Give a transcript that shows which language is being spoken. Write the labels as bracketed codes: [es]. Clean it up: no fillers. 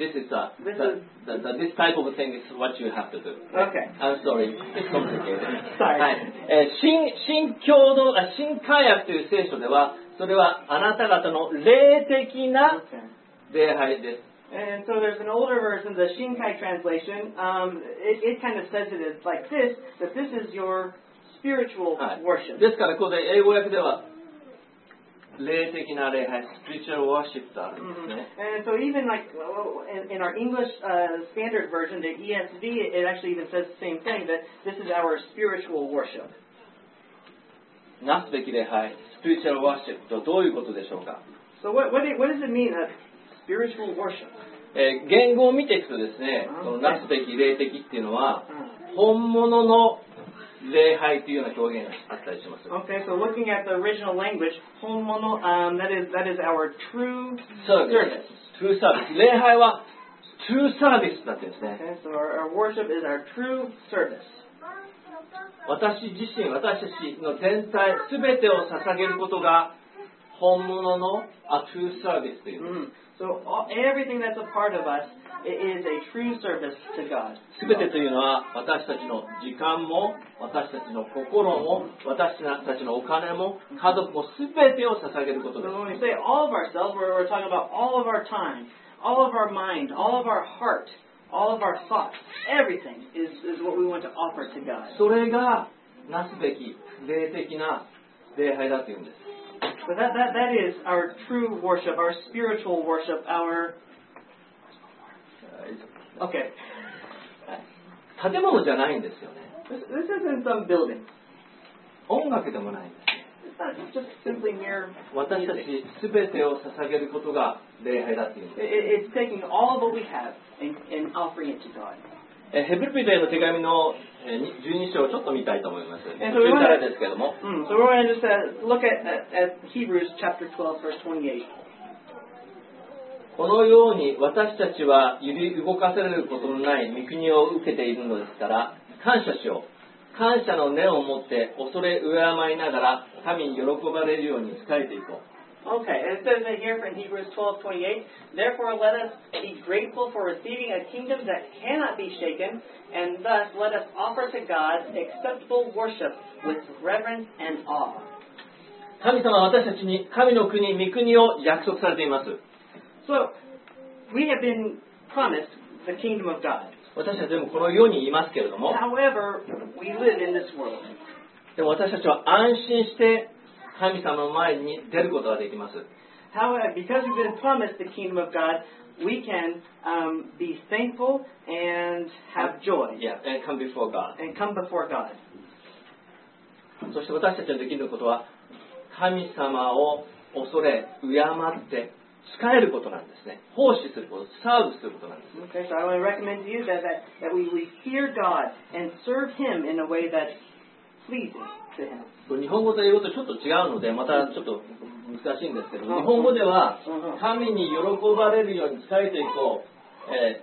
[en] This is this type of thing is what you have to do. Okay. I'm sorry. It's complicated. Sorry. [ja] はい。新改訳という聖書では、それはあなた方の霊的な [en] And so there's an older version, the Shinkai translation. It kind of says it is like this, that this is your spiritual worship. [ja] ですからここで英語訳では霊的な礼拝 [en] spiritual worship [ja] とあるんですね。 [en] And so even like in our English standard version, the ESV, it actually even says the same thing, that this is our spiritual worship. [ja] なすべき礼拝 [en] spiritual worship [ja] とどういうことでしょうか。 [en] So what does it mean? Spiritual worship. [ja] 言語を見ていくとですね、なすべき霊的っていうのは、本物の礼拝というような表現があったりします。 [en] Okay, so looking at the original language, [ja] 本物、 [en] that is our true service. True service. [ja] 礼拝は [en] true service [ja] だってですね。 [en] Okay, so our worship is our true service. [ja] 私自身、私たちの全体、すべてを捧げることが本物の [en] a true service [ja] というんです。 [en] So everything that's a part of us is a true service to God. [ja] 全てというのは私たちの時間も私たちの心も私たちのお金も家族も全てを捧げることです。 [en] So when we say all of ourselves, we're talking about all of our time, all of our mind, all of our heart, all of our thoughts, everything is what we want to offer to God. [ja] それがなすべき霊的な礼拝だというんです。 [en] But that is our true worship, our spiritual worship, our... Okay. [ja] 建物じゃないんですよね。 [en] This isn't some building. [ja] 音楽でもないんです。 [en] It's not just simply mere... [ja] 私たち全てを捧げることが礼拝だっていうんです。 [en] It's taking all of what we have and offering it to God. [ja] ヘブル人への手紙の12章をちょっと見たいと思います。中からですけども。 [en] So we're going to just look at Hebrews chapter 12, verse 28. [ja] このように私たちは揺り動かされることのない御国を受けているのですから、感謝しよう。感謝の念を持って恐れ敬いながら神に喜ばれるように仕えていこう。 [en] Okay, and it says in here from Hebrews 12:28, therefore let us be grateful for receiving a kingdom that cannot be shaken, and thus let us offer to God acceptable worship with reverence and awe. [ja] 神様は私たちに神の国、御国を約束されています。 [en] So, we have been promised the kingdom of God. [ja] 私たちでもこの世にいますけれども。 [en] However, we live in this world. [ja] でも私たちは安心して神様の前に出ることができます。 [en] However, because we've been promised the kingdom of God, we can be thankful and have joy. Yeah, and come before God. And come before God. [ja] そして私たちにできることは、神様を恐れ、敬って、仕えることなんですね。奉仕すること、サーブすることなんです。 [en] Okay, so I want to recommend to you that we fear God and serve Him in a way that pleases to Him. [ja] 日本語と英語とちょっと違うので、またちょっと難しいんですけど、日本語では、神に喜ばれるように伝えていこう。